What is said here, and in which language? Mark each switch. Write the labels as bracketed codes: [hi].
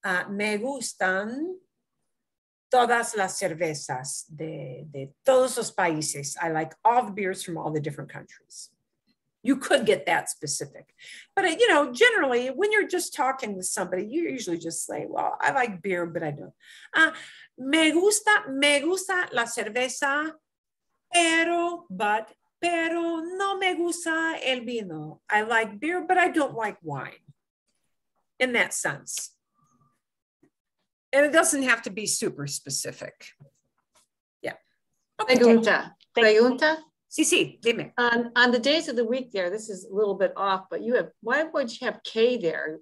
[es] Me gustan. Todas las cervezas de todos los países. [en] I like all the beers from all the different countries. You could get that specific. But, you know, generally, when you're just talking with somebody, you usually just say, well, I like beer, but I don't. [es] Me gusta la cerveza, pero no me gusta el vino. [en] I like beer, but I don't like wine in that sense. And it doesn't have to be super specific. Yeah. [es] Okay. Pregunta. Sí, sí, dime. [en] On the days of the week there, this is a little bit off, but you have, why would you have K there?